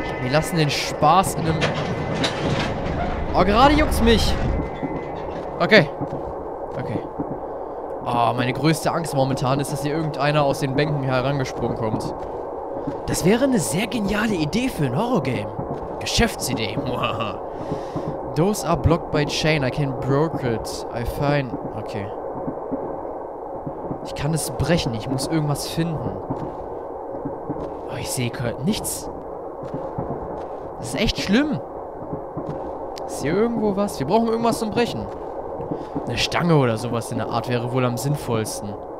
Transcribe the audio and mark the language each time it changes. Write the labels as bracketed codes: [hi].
[de] Wir lassen den Spaß in einem... Oh, gerade juckt's mich. Okay. Okay. Oh, meine größte Angst momentan ist, dass hier irgendeiner aus den Bänken herangesprungen kommt. Das wäre eine sehr geniale Idee für ein Horrorgame. Geschäftsidee. [en] Those are blocked by chain. I can break it. I find... [de] Okay. Ich kann es brechen. Ich muss irgendwas finden. Oh, ich sehe gerade nichts. Das ist echt schlimm. Ist hier irgendwo was? Wir brauchen irgendwas zum Brechen. Eine Stange oder sowas in der Art wäre wohl am sinnvollsten.